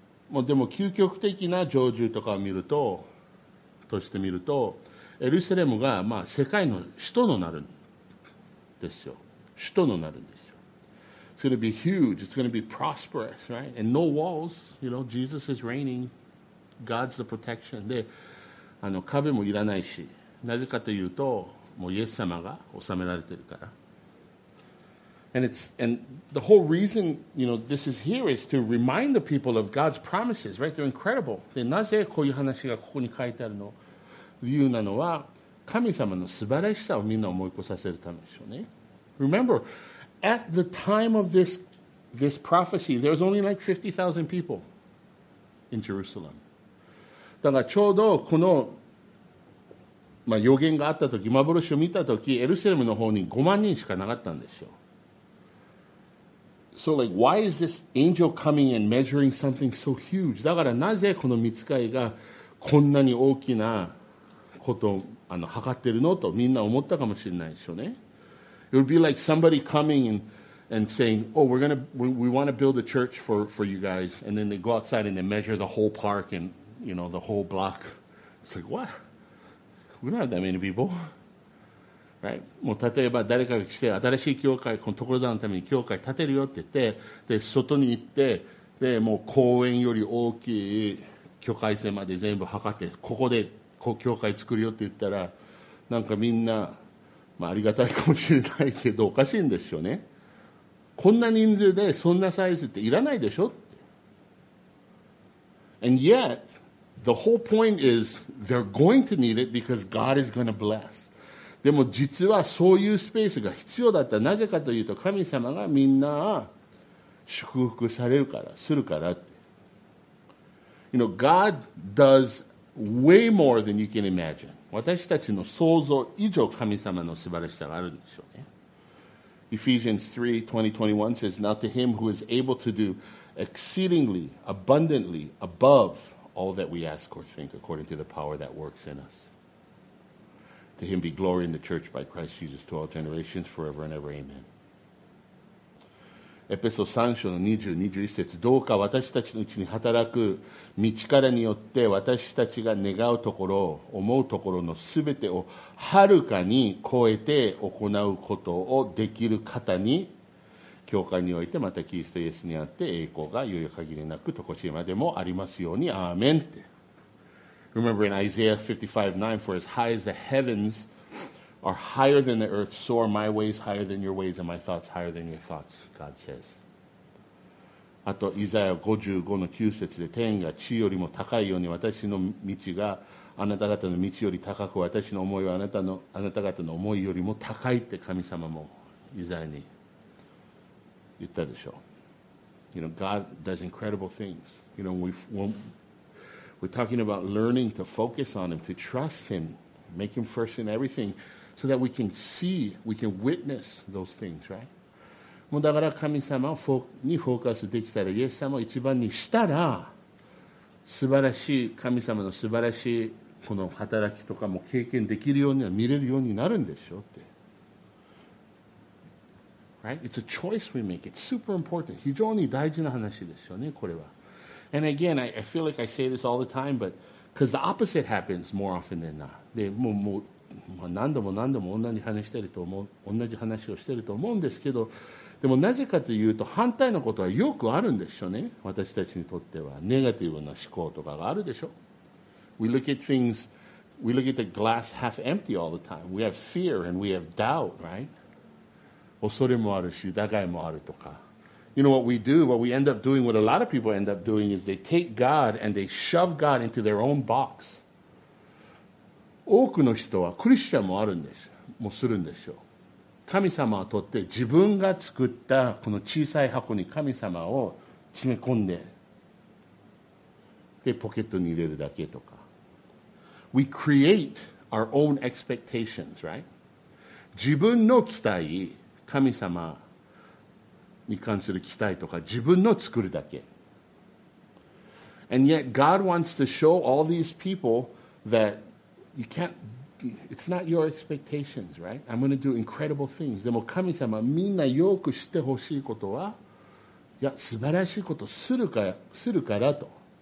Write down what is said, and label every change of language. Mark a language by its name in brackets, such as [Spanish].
[Japanese] もうでも究極的な成就とかを見ると、として見ると、エルサレムがまあ世界の首都になるんですよ。首都になるんですよ。 [English] It's going to be huge. It's going to be prosperous, right? And no walls. You know, Jesus is reigning. God's the protection. [Japanese] で、壁もいらないし、なぜかというと、もうイエス様が治められてるから。 [English] And the whole reason, you know, this is here is to remind the people of God's promises, right? They're incredible. [Japanese] で、なぜこういう話がここに書いてあるの？理由なのは、神様の素晴らしさをみんな思い起こさせるためでしょうね。 [English] Remember, at the time of this prophecy, there was only like 50,000 people in Jerusalem. [Japanese] だからちょうどこの、まあ、予言があったとき、幻を見たとき、エルサレムの方に5万人しかなかったんでしょう。 [English] So like, why is this angel coming and measuring something so huge? [Japanese] だからなぜこの御使いがこんなに大きなことを測ってるのとみんな思ったかもしれないでしょうね。 [English] It would be like somebody coming and saying, oh, we want to build a church for you guys. And then they go outside and they measure the whole park and, you know, the whole block. It's like, what? We don't have that many people. Right? [Japanese] もう例えば誰かが来て、新しい教会、この所沢のために教会建てるよって言って、で、外に行って、で、もう公園より大きい境界線まで全部測って、ここで教会作るよって言ったら、なんかみんな、まあ、ありがたいかもしれないけどおかしいんですよね。こんな人数でそんなサイズっていらないでしょ。 [English] And yet, the whole point is they're going to need it because God is going to bless. [Japanese] でも実はそういうスペースが必要だった。なぜかというと神様がみんな祝福されるから、するからって。 [English] You know, God does way more than you can imagine. [Japanese] 私たちの想像以上神様の素晴らしさがあるんでしょうね。 [English] Ephesians 3, 20-21 says, now to him who is able to do exceedingly, abundantly, above all that we ask or think, according to the power that works in us. To him be glory in the church by Christ Jesus to all generations, forever and ever. Amen. [Japanese] Epistle 3章の20、21節、どうか私たちのうちに働く御力によって私たちが願うところ、思うところのすべてをはるかに超えて行うことをできる方に、教会においてまたキリストイエスにあって栄光がいよいよ限りなく、とこしえまでもありますように、アーメンって。 [English] Remember in Isaiah 55:9, for as high as the heavens are higher than the earth, so are my ways higher than your ways, and my thoughts higher than your thoughts, God says. [Japanese] あと、イザヤ 55:9 節で、天が地よりも高いように、私の道があなた方の道より高く、私の思いはあなた方の思いよりも高いって神様もイザヤに言ったでしょう。 [English] You know, God does incredible things. You know, we're talking about learning to focus on Him, to trust Him, make Him first in everything, so that we can see, we can witness those things, right? [Japanese] もうだから神様にフォーカスできたら、イエス様を一番にしたら、素晴らしい、神様の素晴らしいこの働きとかも経験できるようには見れるようになるんでしょうって。 [English] Right? It's a choice we make. It's super important. [Japanese] 非常に大事な話ですよね、これは。 [English] And again, I feel like I say this all the time, but because the opposite happens more often than not. [Japanese] で、もう何度も何度も同じ話をしてると思うんですけど、でもなぜかというと反対のことはよくあるんでしょうね。私たちにとってはネガティブな思考とかがあるでしょ。 [English] We look at the glass half empty all the time. We have fear and we have doubt, right? [Japanese] 恐れもあるし疑いもあるとか。 [English] You know what we do, what we end up doing, what a lot of people end up doing is they take God and they shove God into their own box. [Japanese] 多くの人は、クリスチャンもあるんでしょ、もうするんでしょう。神様を取って自分が作ったこの小さい箱に神様を詰め込んで、で、ポケットに入れるだけとか。 [English] We create our own expectations, right? [Japanese] 自分の期待、神様に関する期待とか自分の作るだけ。 [English] And yet God wants to show all these people that you can't, it's not your expectations, right? I'm going to do incredible things. [Japanese] でも神様みんなよく知ってほしいことは、いや素晴らしいことするからと。